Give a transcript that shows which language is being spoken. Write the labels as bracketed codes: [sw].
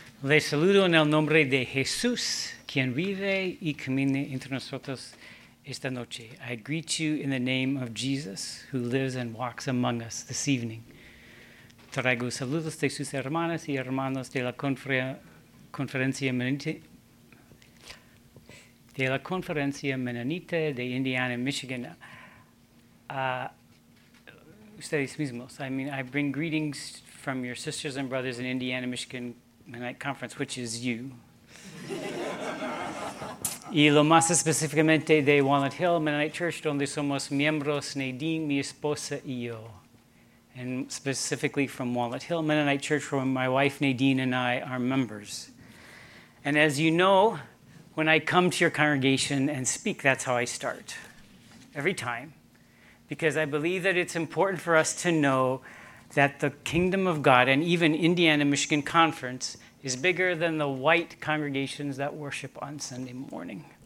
[es] Les saludo en el nombre de Jesús, quien vive y camina entre nosotros esta noche. [en] I greet you in the name of Jesus, who lives and walks among us this evening. [es] Traigo saludos de sus hermanas y hermanos de la conferencia menonita de Indiana, Michigan. Ustedes mismos. [en] I bring greetings from your sisters and brothers in Indiana, Michigan. Mennonite Conference, which is you. [es] Y lo más específicamente de Walnut Hill, Mennonite Church, donde somos miembros Nadine, mi esposa y yo. [en] And specifically from Walnut Hill, Mennonite Church, where my wife Nadine and I are members. And as you know, when I come to your congregation and speak, that's how I start. Every time. Because I believe that it's important for us to know that the kingdom of God and even Indiana Michigan Conference is bigger than the white congregations that worship on Sunday morning.